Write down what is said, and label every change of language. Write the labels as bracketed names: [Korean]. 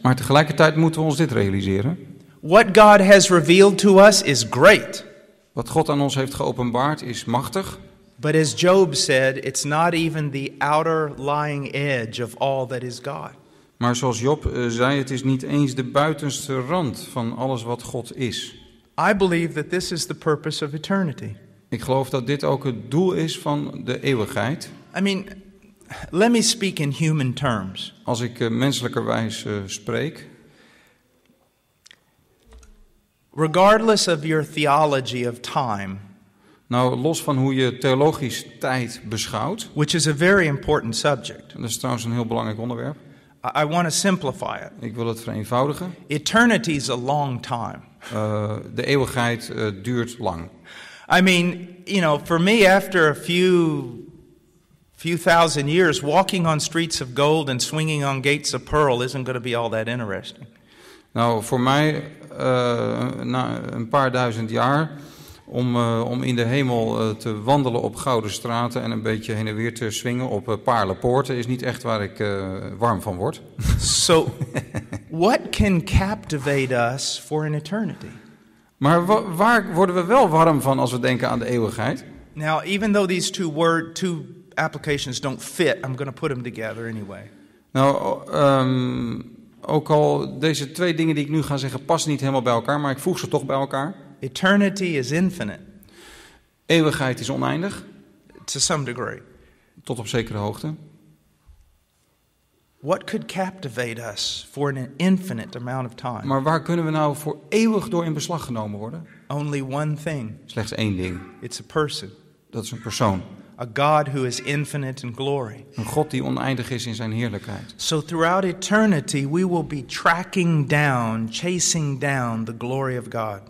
[Dutch] Maar tegelijkertijd moeten we ons dit realiseren. [English] What God has revealed to us is great. [Dutch] Wat God aan ons heeft geopenbaard is machtig. [English] But as Job said, it's not even the outer lying edge of all that is God. [Dutch] Maar zoals Job zei, het is niet eens de buitenste rand van alles wat God is. [English] I believe that this is the purpose of eternity. [Dutch] Ik geloof dat dit ook het doel is van de eeuwigheid. [English] I mean, let me speak in human terms. [Dutch] Als ik menselijkerwijs spreek. [English] Regardless of your theology of time. [Dutch] Nou, los van hoe je theologisch tijd beschouwt. [English] Which is a very important subject. [Dutch] Dat is trouwens een heel belangrijk onderwerp. [English] I want to simplify it. [Dutch] Ik wil het vereenvoudigen. [English] Eternity is a long time. [Dutch] De eeuwigheid duurt lang. [English] I mean, you know, for me after a few thousand years walking on streets of gold and swinging on gates of pearl isn't going to be all that interesting. [Dutch] Nou, voor mij na een paar duizend jaar om in de hemel te wandelen op gouden straten en een beetje heen en weer te swingen op paarlenpoorten is niet echt waar ik warm van word. [English] So, what can captivate us for an eternity? [Dutch] Maar waar worden we wel warm van als we denken aan de eeuwigheid? [English] Now, even though these two applications don't fit, I'm going to put them together anyway. [Dutch] Nou, ook al deze twee dingen die ik nu ga zeggen passen niet helemaal bij elkaar, maar ik voeg ze toch bij elkaar. [English] Eternity is infinite. [Dutch] Eeuwigheid is oneindig. [English] To some degree. [Dutch] Tot op zekere hoogte. [English] What could captivate us for an infinite amount of time? [Dutch] Maar waar kunnen we nou voor eeuwig door in beslag genomen worden? [English] Only one thing. [Dutch] Slechts één ding. [English] It's a person. [Dutch] Dat is een persoon. [English] A God who is infinite in glory. [Dutch] Een God die oneindig is in zijn heerlijkheid. [English] So throughout eternity we will be tracking down, chasing down the glory of God.